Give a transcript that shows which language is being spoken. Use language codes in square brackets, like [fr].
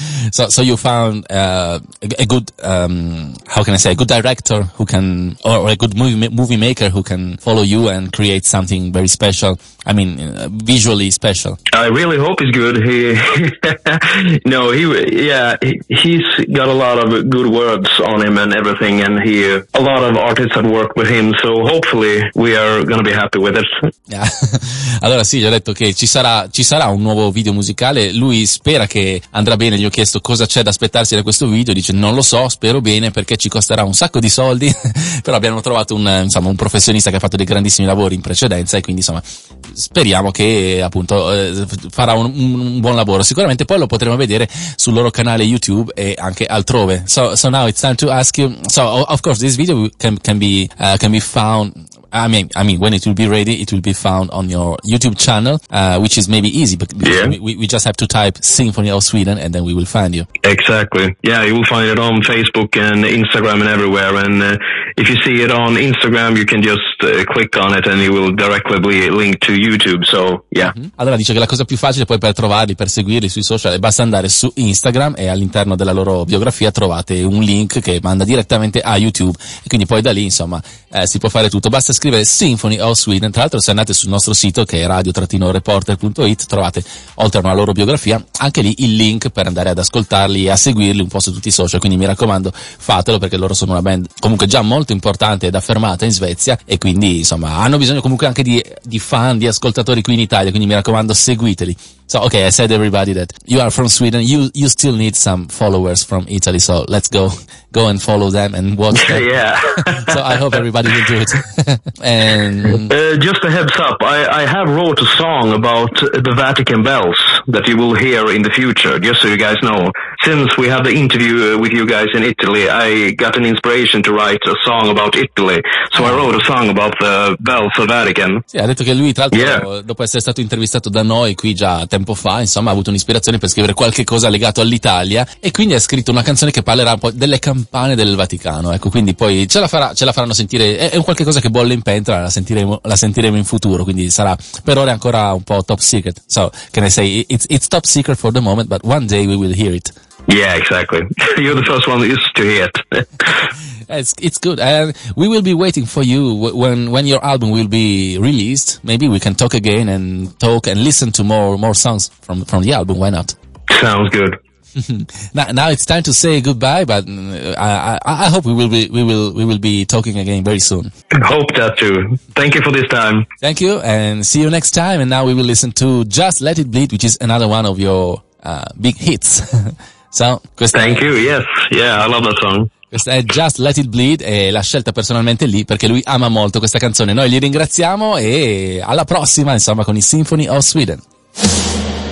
[en] So you found a good director who can, or a good movie maker who can follow you and create something very special. I mean, visually special. I really hope he's good. He's got a lot of good words on him and everything, and a lot of artists have worked with him, so hopefully we are gonna be happy with it. Yeah. [it] Allora sì, gli ho detto che ci sarà un nuovo video musicale. Lui spera che andrà bene. Gli ho chiesto cosa c'è da aspettarsi da questo video. Dice: non lo so, spero bene, perché ci costerà un sacco di soldi. Però abbiamo trovato un professionista che ha fatto dei grandissimi lavori in precedenza, e quindi insomma speriamo che appunto farà un buon lavoro. Sicuramente poi lo potremo vedere sul loro canale YouTube e anche altrove. [en] So now it's time to ask you. So of course this video can be found. I mean, when it will be ready, it will be found on your YouTube channel, which is maybe easy, but yeah. we just have to type Symphony of Sweden and then we will find you. Exactly. Yeah, you will find it on Facebook and Instagram and everywhere. And if you see it on Instagram, you can just click on it and it will directly be linked to YouTube. So, yeah. Mm-hmm. [it] Allora dice che la cosa più facile poi per trovarli, per seguirli sui social, è basta andare su Instagram e all'interno della loro biografia trovate un link che manda direttamente a YouTube. E quindi poi da lì, insomma, si può fare tutto. Basta scrivere Symphony of Sweden. Tra l'altro, se andate sul nostro sito, che è radio-reporter.it, trovate, oltre a una loro biografia, anche lì il link per andare ad ascoltarli e a seguirli un po' su tutti i social. Quindi mi raccomando, fatelo, perché loro sono una band comunque già molto importante ed affermata in Svezia, e quindi insomma hanno bisogno comunque anche di fan, di ascoltatori qui in Italia. Quindi mi raccomando, seguiteli. [en] So okay, I said everybody that you are from Sweden, you still need some followers from Italy, so let's go and follow them and watch them. Yeah. So I hope everybody will do it. And just a heads up, I have wrote a song about the Vatican bells. that you will hear in the future, just so you guys know. Since we had the interview with you guys in Italy, I got an inspiration to write a song about Italy. So I wrote a song about the bells of Vatican. [it] Sì, ha detto che lui, tra l'altro, dopo essere stato intervistato da noi qui già tempo fa, insomma, ha avuto un'ispirazione per scrivere qualche cosa legato all'Italia e quindi ha scritto una canzone che parlerà poi delle campane del Vaticano. Ecco, quindi poi ce la faranno sentire, è qualche cosa che bolle in pentola, la sentiremo in futuro, quindi sarà per ora ancora un po' top secret. [en] So, can I say it's top secret for the moment, but one day we will hear it. Yeah, exactly. You're the first one used to hear it. it's good. And we will be waiting for you when your album will be released. Maybe we can talk again and talk and listen to more songs from the album. Why not? Sounds good. Now it's time to say goodbye, but I hope we will be talking again very soon. Hope that too. Thank you for this time. Thank you and see you next time. And now we will listen to Just Let It Bleed, which is another one of your big hits. So, thank you. Yes. Yeah, I love that song. [it] Questa è Just Let It Bleed e l'ha scelta personalmente lì perché lui ama molto questa canzone. Noi li ringraziamo e alla prossima, insomma, con i Symphony of Sweden.